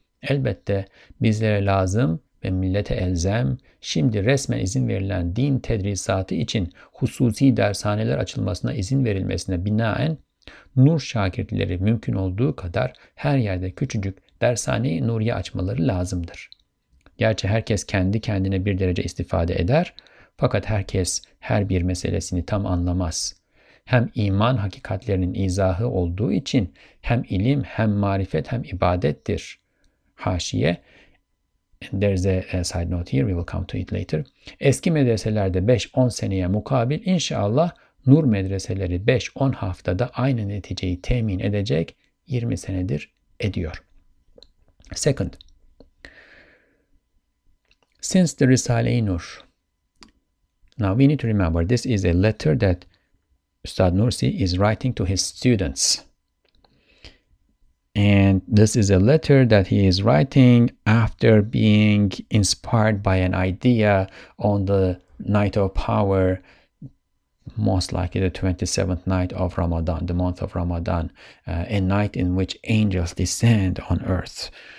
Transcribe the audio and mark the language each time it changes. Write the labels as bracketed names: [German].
[Turkish] Elbette bizlere lazım ve millete elzem, şimdi resmen izin verilen din tedrisatı için hususi dershaneler açılmasına izin verilmesine binaen, Nur şakirtleri mümkün olduğu kadar her yerde küçücük dershaneyi Nuriye açmaları lazımdır. Gerçi herkes kendi kendine bir derece istifade eder, fakat herkes her bir meselesini tam anlamaz. Hem iman hakikatlerinin izahı olduğu için hem ilim hem marifet hem ibadettir. [English] Haşiye, and there's a side note here, we will come to it later. [Turkish] Eski medreselerde 5-10 seneye mukabil inşallah Nur medreseleri 5-10 haftada aynı neticeyi temin edecek 20 senedir ediyor. [English] Second, since the Risale-i Nur, now we need to remember this is a letter that Ustad Nursi is writing to his students. And this is a letter that he is writing after being inspired by an idea on the night of power, most likely the 27th night of Ramadan, the month of Ramadan, a night in which angels descend on earth.